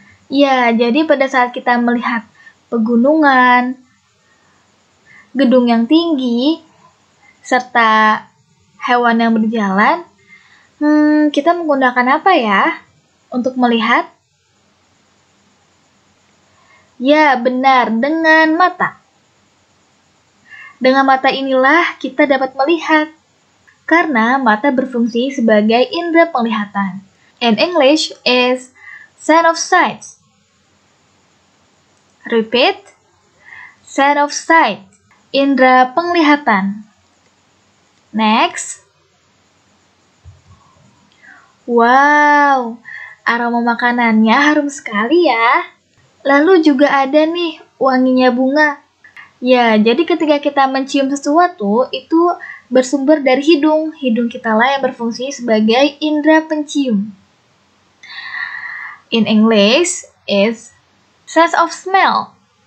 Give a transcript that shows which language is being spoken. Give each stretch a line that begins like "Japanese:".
Indonesian: Ya, jadi pada saat kita melihat pegunungan, gedung yang tinggi, serta hewan yang berjalan, kita menggunakan apa ya untuk melihat? Ya, benar, dengan mata. Dengan mata inilah kita dapat melihat. Karena mata berfungsi sebagai indera penglihatan.
English: In English is sense of sight. Repeat. Sense of sight.
Indonesian: Indera penglihatan.
English: Next.
Indonesian: Wow. Aroma makanannya harum sekali ya. Lalu juga ada nih wanginya bunga. Ya, jadi ketika kita mencium sesuatu, itu bersumber dari hidung. Hidung kita lah yang berfungsi sebagai indera pencium.
English: In English, is sense of smell.